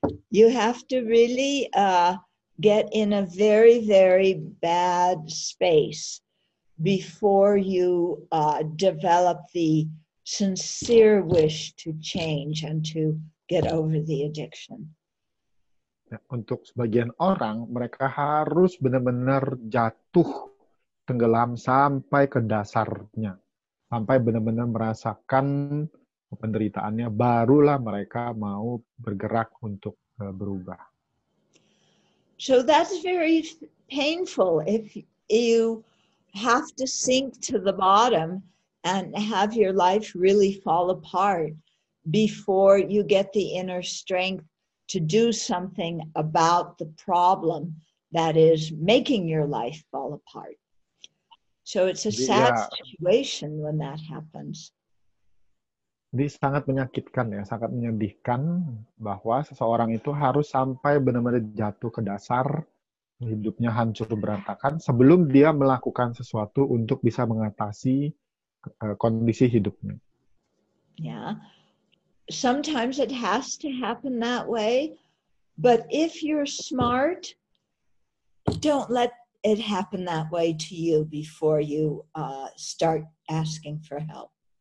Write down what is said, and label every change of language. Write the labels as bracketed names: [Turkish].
[English] You have to really get in a very, very bad space before you develop the sincere wish to change and to get over the addiction. [Indonesian] Untuk sebagian orang, mereka harus benar-benar jatuh, tenggelam sampai ke dasarnya, sampai benar-benar merasakan penderitaannya, barulah mereka mau bergerak untuk berubah. [English] So that's very painful if you have to sink to the bottom and have your life really fall apart before you get the inner strength to do something about the problem that is making your life fall apart. So it's a sad situation when that happens. [Indonesian] Ini sangat menyakitkan ya, sangat menyedihkan bahwa seseorang itu harus sampai benar-benar jatuh ke dasar, hidupnya hancur berantakan sebelum dia melakukan sesuatu untuk bisa mengatasi kondisi hidupnya. [English] Yeah. Sometimes it has to happen that way, but if you're smart, don't let it happen that way to you before you start asking for help.